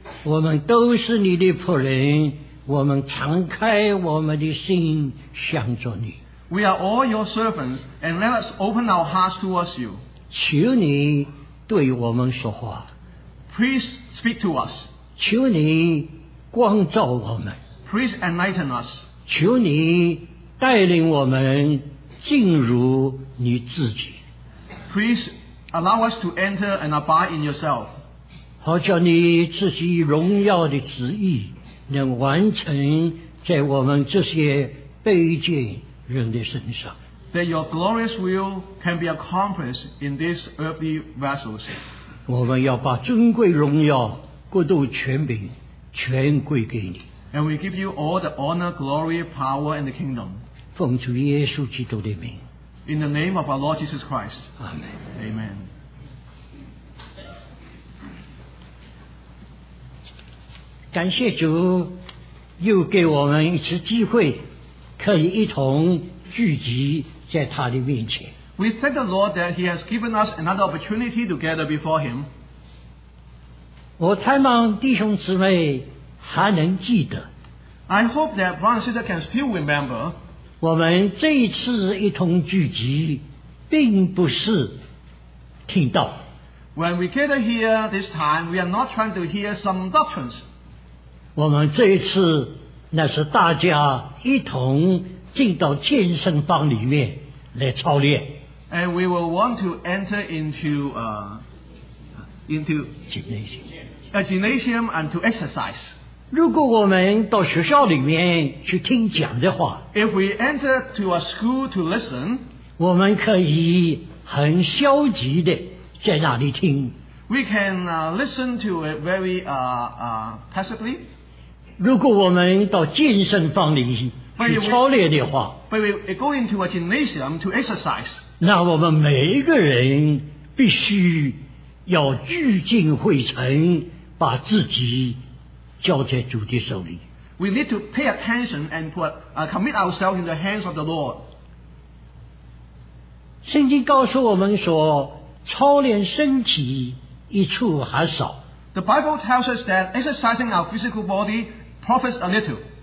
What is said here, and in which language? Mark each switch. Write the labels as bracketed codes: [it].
[zh] 我们都是你的仆人，我们敞开我们的心向着你。 [en] We are all your servants, and let us open our hearts towards you. [zh] 求你对我们说话。 [en] Please speak to us. [zh] 求你光照我们。 [en] Please enlighten us. [zh] 求你带领我们进入你自己。 [en] Please allow us to enter and abide in yourself. [zh] 好叫你自己荣耀的旨意能完成在我们这些卑贱人的身上。 [en] That your glorious will can be accomplished in these earthly vessels. [zh] 我们要把尊贵荣耀、国度、权柄全归给你。 [en] And we give you all the honor, glory, power, and the kingdom. [zh] 奉主耶稣基督的名。 [en] In the name of our Lord Jesus Christ. Amen. Amen. [zh] 感谢主又给我们一次机会可以一同聚集在他的面前。 [en] We thank the Lord that he has given us another opportunity to gather before him. [zh] 我盼望弟兄姊妹还能记得。 [en] I hope that brother and sister can still remember. [zh] 我们这一次一同聚集并不是听到。 [en] When we gather here this time, we are not trying to hear some doctrines. [zh] 我们这一次那是大家一同进到健身房里面来操练。 [en] And we will want to enter into gymnasium and to exercise. [zh] 如果我们到学校里面去听讲的话， [en] If we enter to a school to listen, [zh] 我们可以很消极的在那里听。 [en] We can listen to it very passively. [zh] 如果我们到健身房里去操练的话， [en] but we go into a gymnasium to exercise. [zh] 那我们每一个人必须要聚精会神，把自己交在主的手里。 [en] We need to pay attention and commit ourselves in the hands of the Lord. [zh] 圣经告诉我们说，操练身体一处还少。 [en] The Bible tells us that exercising our physical body profits a little.